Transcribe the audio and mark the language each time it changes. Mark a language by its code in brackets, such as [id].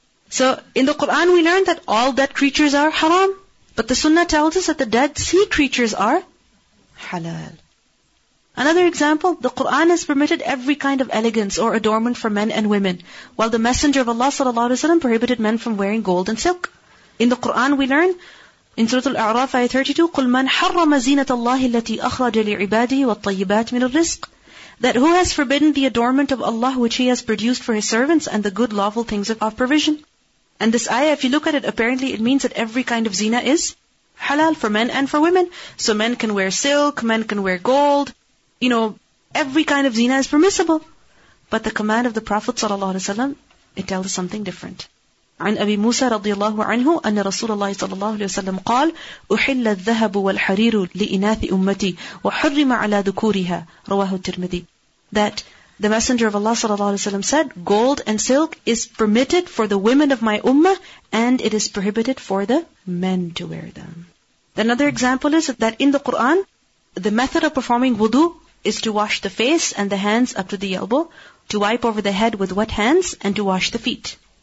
[en] So, in the Quran we learn that all dead creatures are haram. But the sunnah tells us that the dead sea creatures are halal. Another example, the Quran has permitted every kind of elegance or adornment for men and women, while the Messenger of Allah sallallahu alaihi wasallam prohibited men from wearing gold and silk. In the Quran we learn, in Surah Al-A'raf, Ayah 32, [ar] قُلْ مَنْ حَرَّمَ زِينَةَ اللَّهِ الَّتِي أَخْرَجَ لِعِبَادِهِ وَالطَّيِّبَاتِ مِنَ الرِّزْقِ. [en] That who has forbidden the adornment of Allah which He has produced for His servants and the good lawful things of provision. And this ayah, if you look at it, apparently it means that every kind of zina is halal for men and for women. So men can wear silk, men can wear gold. You know, every kind of zina is permissible. But the command of the Prophet ﷺ, it tells us something different. [ar] عن أبي موسى رضي الله عنه أن رسول الله صلى الله عليه وسلم قال أحل الذهب والحرير لإناث أمتي وحرم على ذكورها رواه الترمذي. [en] That the Messenger of Allah [ar] صلى الله عليه وسلم [en] said, gold and silk is permitted for the women of my ummah and it is prohibited for the men to wear them. Another example is that in the Quran, the method of performing wudu is to wash the face and the hands up to the elbow, to wipe over the head with wet hands, and to wash the feet.